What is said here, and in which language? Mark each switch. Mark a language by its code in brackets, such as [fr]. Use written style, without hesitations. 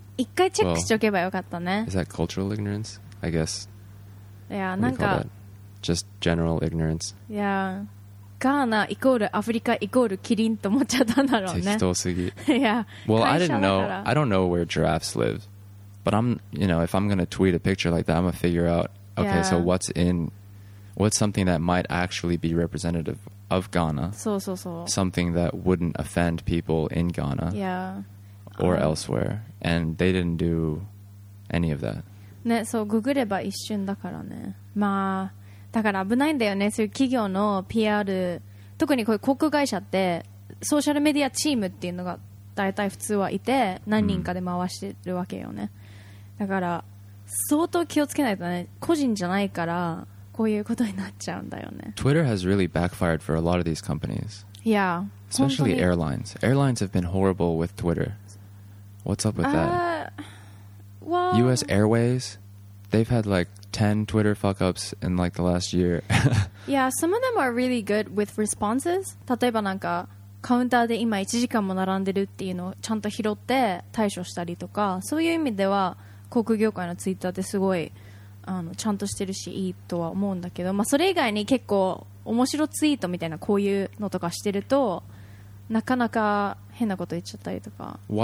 [ja] 一回チェックしておけばよかったね。 [en] Well, is that cultural ignorance? I guess. Yeah, なんか。 Just general ignorance. Yeah. [ja] ガーナイコールアフリカイコールキリンと思っちゃったんだろうね。適当すぎ。 yeah. [en] Well, I didn't know. I don't know where giraffes live. But I'm, you know, if I'm going to tweet a picture like that, I'm going to figure out, okay,、yeah. so what's in, what's something that might actually be representative of Ghana? [ja] そうそうそう。 [en] Something that wouldn't offend people in Ghana. Yeah. Or elsewhere. And they didn't do any of that. [ja] ね、そう、ググれば一瞬だからね。まあ、だから危ないんだよね。そういう企業の PR、特にこういう航空会社ってソーシャルメディアチームっていうのが大体普通はいて、何人かで回してるわけよね。だから相当気をつけないとね。個人じゃないからこういうことになっちゃうんだよね。 [en] Twitter has really backfired for a lot of these companies. Yeah. Especially airlines. Airlines have been horrible with Twitter. What's up with that? Well, US Airways, they've had like 10 Twitter fuck-ups in like the last year. yeah, some of them are really good with responses. [ja] 例えばなんかカウンターで今1時間も並んでるっていうのをちゃんと拾って対処したりとか、そういう意味では航空業界のツイッターってすごいちゃんとしてるしいいとは思うんだけど、まあ、それ以外に結構面白ツイートみたいなこういうのとかしてるとなかなか変なこと言っちゃったりとか。